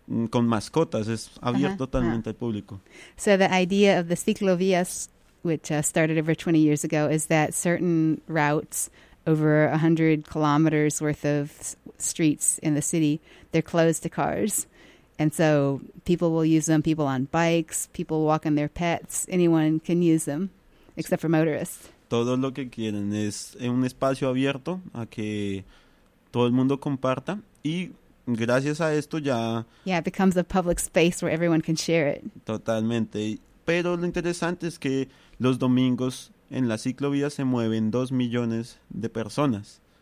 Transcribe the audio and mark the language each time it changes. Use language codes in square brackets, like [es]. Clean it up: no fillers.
[es] con mascotas, es abierto totalmente al público. [en] So the idea of the ciclovías, which started over 20 years ago, is that certain routes over 100 kilometers worth of streets in the city, they're closed to cars. And so people will use them, people on bikes, people walking their pets, anyone can use them, except for motorists. [es] Todo lo que quieren es un espacio abierto a que todo el mundo comparta y gracias a esto ya... [en] Yeah, it becomes a public space where everyone can share it. [es] Totalmente. Pero lo interesante es que los domingos en la ciclovía se mueven 2 millones de personas.